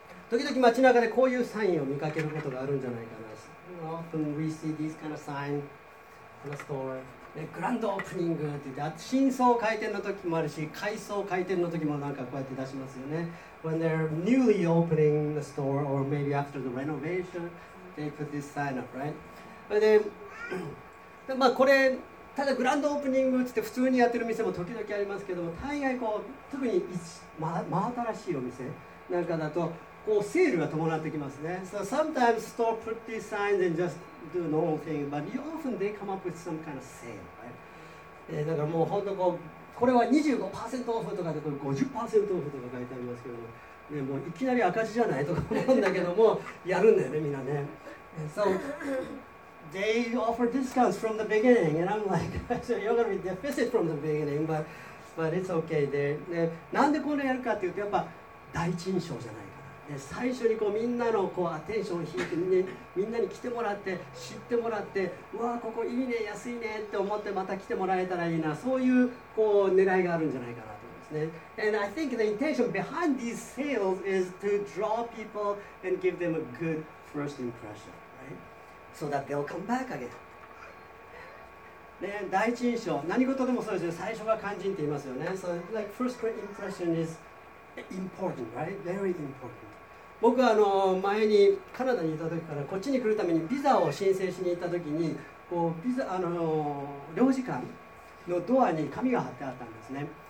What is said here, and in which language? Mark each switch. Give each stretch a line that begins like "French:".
Japanese: 時々街中でこういうサインを見かけることがあるんじゃないかな。
English: Often we see this kind of sign in a store. The grand opening
Japanese: って言って、新装開店の時もあるし、改装開店の時もなんかこうやって出しますよね。
English: When they're newly opening the store or maybe after the renovation, they put this sign up, right? But then,
Japanese: でまあこれただグランドオープニングって普通にやってる店も時々ありますけども、大概こう特に真新しいお店なんかだとこうセールが伴ってきますね。
English: So sometimes store put these signs and just do normal thing, but often they come up with some kind of sale, right?
Japanese: だからもう本当こうこれは 25% オフとかでこれ 50% オフとか書いてありますけども、ね、もういきなり赤字じゃないとか思うんだけどもやるんだよねみんなね。
English: SoThey offer discounts from the beginning, and I'm like, so you're going to be deficit from the beginning, but it's okay.
Japanese: で、なんでこれやるかっていうと、やっぱ第一印象じゃないかな。で、最初にこうみんなのこうアテンションを引いて、ね、みんなに来てもらって、知ってもらって、うわー、ここいいね、安いねって思って、また来てもらえたらいいな、そういうこう狙いがあるんじゃないかなと思いますね。
English: And I think the intention behind these sales is to draw people and give them a good first impression. So that they'll come back again.
Japanese: ね、第一印象、何事でもそうですよ。最初が肝心って言いますよね。
English: So, like, first impression is important, right? Very important.
Japanese: 僕は前にカナダにいた時から、こっちに来るためにビザを申請しに行った時に、こうビザ領事館のドアに紙が貼ってあったんですね。